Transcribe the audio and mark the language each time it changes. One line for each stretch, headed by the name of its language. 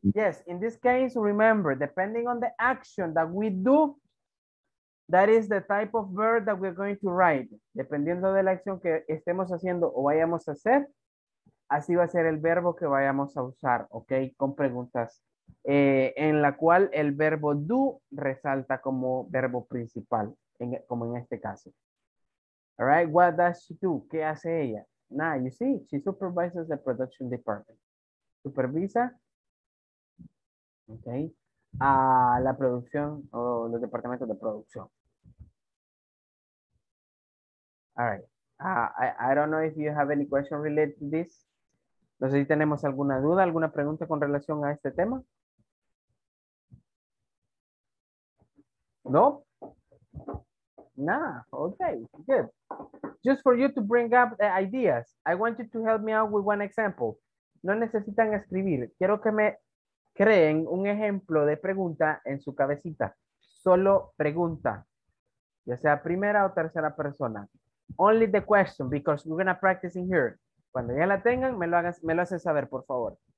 English: Yes, in this case, remember, depending on the action that we do, that is the type of verb that we're going to write.
Spanish: Dependiendo de la acción que estemos haciendo o vayamos a hacer, así va a ser el verbo que vayamos a usar, ok, con preguntas. En la cual el verbo do resalta como verbo principal, como en este caso.
English: All right, what does she do?
Spanish: ¿Qué hace ella?
English: Now, you see, she supervises the production department.
Spanish: Supervisa, okay, a la producción o los departamentos de producción.
English: All right, I don't know if you have any question related to this.
Spanish: No sé si tenemos alguna duda, alguna pregunta con relación a este tema.
English: No? Nah, okay, good. Just for you to bring up the ideas, I want you to help me out with one example.
Spanish: No necesitan escribir. Quiero que me creen un ejemplo de pregunta en su cabecita. Solo pregunta. Ya sea primera o tercera persona.
English: Only the question, because we're gonna practice in here.
Spanish: Cuando ya la tengan, me lo hacen saber, por favor.